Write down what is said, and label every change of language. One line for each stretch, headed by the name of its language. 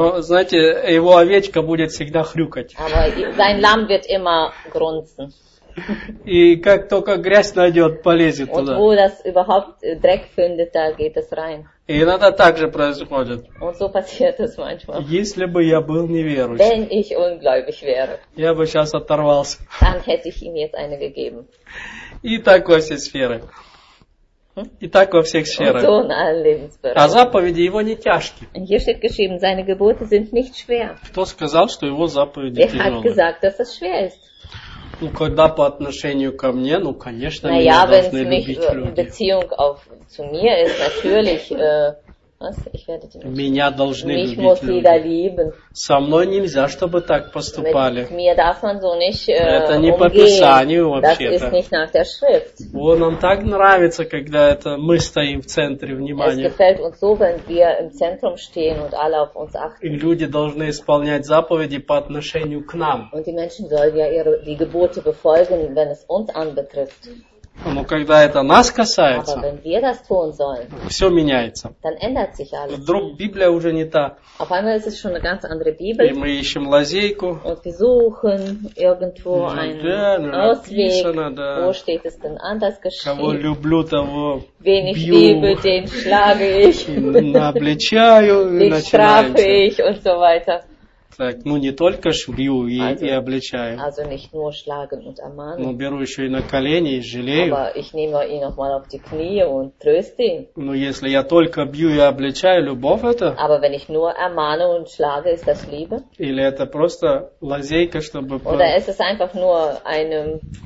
Russian: Но, знаете, его овечка будет всегда хрюкать.
German: Aber sein Lamm wird immer grunzen.
Russian: И как только грязь найдет, полезет
German: und
Russian: туда.
German: Wo das überhaupt Dreck findet, da geht es rein.
Russian: И иногда так же происходит.
German: Und so passiert es manchmal.
Russian: Если бы я был неверующим,
German: wenn ich ungläubig wäre,
Russian: я бы сейчас оторвался.
German: Dann hätte ich ihm jetzt eine gegeben.
Russian: И так во всей сфере. И так во всех сферах.
German: Und so in allen Lebensbereichen.
Russian: А заповеди его не тяжки.
German: Hier steht geschrieben, seine Gebote sind nicht schwer.
Russian: Кто сказал, что его заповеди тяжелы?
German: Wer hat gesagt, dass es schwer ist?
Russian: Ну, когда по отношению ко мне, ну, конечно, меня должны любить люди.
German: Wenn es
Russian: в
German: Beziehung auf, zu mir ist, natürlich, was, ich werde dich nicht...
Russian: Меня должны
German: mich
Russian: любить люди.
German: Mich muss jeder lieben.
Russian: Со мной нельзя, чтобы так поступали.
German: Mit mir darf man so nicht umgehen.
Russian: Это не по Писанию вообще-то.
German: Das ist nicht nach der Schrift.
Russian: О, нам так нравится, когда это мы стоим в центре внимания.
German: Es gefällt uns so, wenn wir im Zentrum stehen und alle auf uns achten.
Russian: И люди должны исполнять заповеди по отношению к нам.
German: Und die Menschen sollen ja ihre, die Gebote befolgen, wenn es uns anbetrifft.
Russian: Но когда это нас касается,
German: aber wenn wir das tun sollen,
Russian: все меняется.
German: Dann ändert sich alles.
Russian: Вдруг Библия уже не та.
German: Auf einmal ist es schon eine ganz andere Bibel.
Russian: И мы ищем лазейку.
German: Und wir suchen irgendwo einen Ausweg.
Russian: Написано, да.
German: Wo steht es denn anders geschrieben?
Russian: Кого люблю, того бью.
German: Wen ich liebe, den schlage ich.
Russian: Обличаю,
German: strafe ich und so weiter.
Russian: Так, ну не только ж бью и,
German: also,
Russian: и обличаю.
German: Also nicht nur schlagen und ermahnen.
Russian: Но беру еще и на колени и жалею.
German: Aber ich nehme ihn noch mal auf die Knie und tröste ihn.
Russian: Ну если я только бью и обличаю, любовь это?
German: Aber wenn ich nur ermahne und schlage, ist das Liebe?
Russian: Или это просто лазейка, чтобы...
German: Oder ist es einfach nur eine...